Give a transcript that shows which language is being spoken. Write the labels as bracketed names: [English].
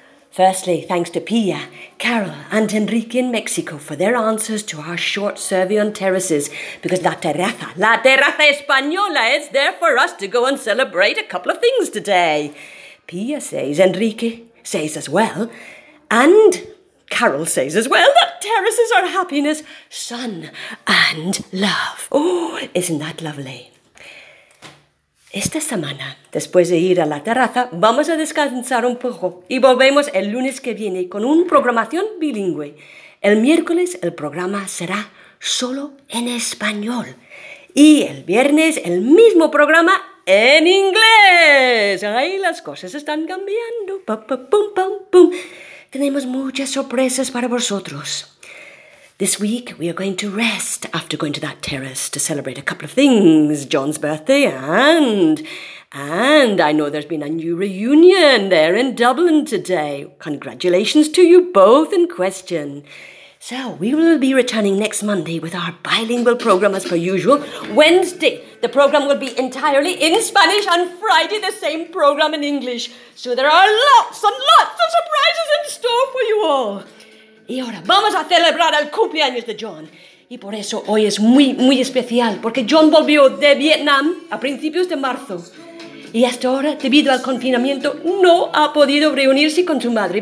[English] Firstly, thanks to Pia, Carol and Enrique in Mexico for their answers to our short survey on terraces, because [Spanish] la terraza española [English] is there for us to go and celebrate a couple of things today. Pia says, Enrique says as well, and Carol says as well, that terraces are happiness, sun and love. Oh, isn't that lovely? [Spanish] Esta semana, después de ir a la terraza, vamos a descansar un poco y volvemos el lunes que viene con una programación bilingüe. El miércoles el programa será solo en español y el viernes el mismo programa en inglés. ¡Ay, las cosas están cambiando! Pum, pum, pum, pum, pum. Tenemos muchas sorpresas para vosotros. [English] This week, we are going to rest after going to that terrace to celebrate a couple of things. John's birthday and I know there's been a new reunion there in Dublin today. Congratulations to you both in question. So, we will be returning next Monday with our bilingual program as per usual. Wednesday, the program will be entirely in Spanish, and Friday, the same program in English. So there are lots and lots of surprises in store for you all. [Spanish] Y ahora vamos a celebrar el cumpleaños de John. Y por eso hoy es muy, muy especial, porque John volvió de Vietnam a principios de marzo. Y hasta ahora, debido al confinamiento, no ha podido reunirse con su madre.